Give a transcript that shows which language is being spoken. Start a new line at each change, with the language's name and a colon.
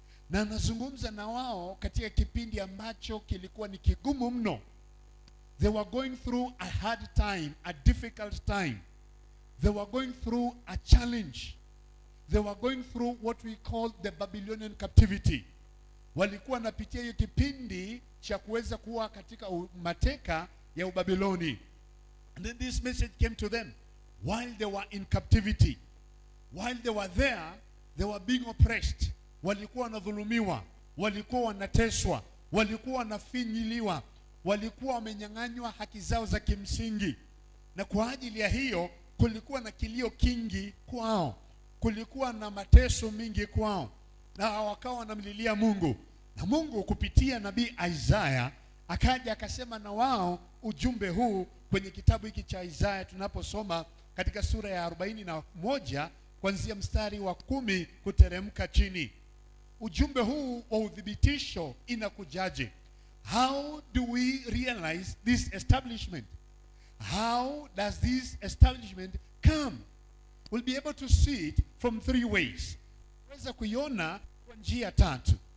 Swahili: Na anazungumza na wao katika kipindi ambacho kilikuwa ni kigumu mno.
English: They were going through a hard time, a difficult time. They were going through a challenge. They were going through what we call the Babylonian captivity.
Swahili: Walikuwa napitia hiyo kipindi cha kuweza kuwa katika mateka ya Ubabiloni.
English: And then this message came to them while they were in captivity. While they were there, they were being oppressed.
Swahili: Walikuwa wanadhulumiwa, walikuwa wanateswa, walikuwa wanafinyiliwa, walikuwa wamenyang'anywa haki zao za kimsingi. Na kwa ajili ya hiyo, kulikuwa na kilio kingi kwao. Kulikuwa na mateso mingi kwao. Na wakawa wanamlilia Mungu. Na Mungu kupitia nabii Isaiah akaja akasema na wao ujumbe huu kwenye kitabu hiki cha Isaya, tunaposoma katika sura ya 41 kuanzia mstari wa 10 kuteremka chini. Ujumbe huu wa uthibitisho inakujaje?
English: How do we realize this establishment? How does this establishment come? We'll be able to see it from three ways.
Swahili: Unaweza kuiona kwa njia tatu.